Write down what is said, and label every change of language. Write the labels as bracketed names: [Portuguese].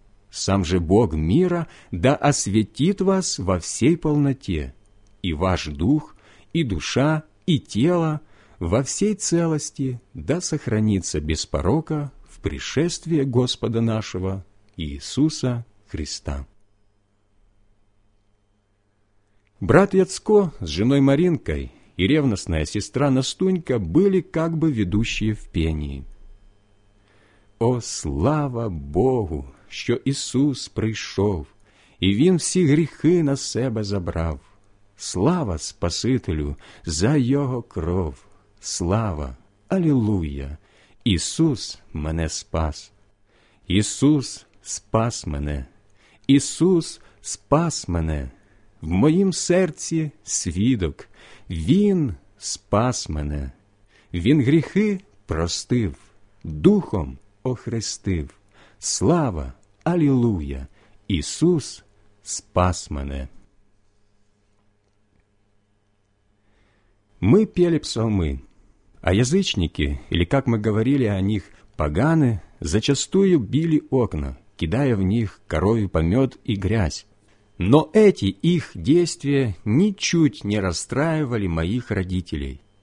[Russian] Сам же Бог мира да освятит вас во всей полноте, и ваш дух, и душа, и тело во всей целости да сохранится без порока в пришествии Господа нашего Иисуса Христа. Брат Яцко с женой Маринкой и ревностная сестра Настунька были как бы ведущие в пении. [Ukrainian] «О, слава Богу, що Ісус прийшов, і Він всі гріхи на себе забрав! Слава Спасителю за Його кров! Слава! Алілуя! Ісус мене спас! Ісус спас мене! Ісус спас мене! В моїм серці свідок, Він спас мене. Він гріхи простив, духом охрестив. Слава, алілуя, Ісус спас мене. [Russian] Ми пели псалми, а язичники, или как мы говорили о них, Паганы зачастую били окна, кидая в них коровий помет и грязь. Но эти их действия ничуть не расстраивали моих родителей.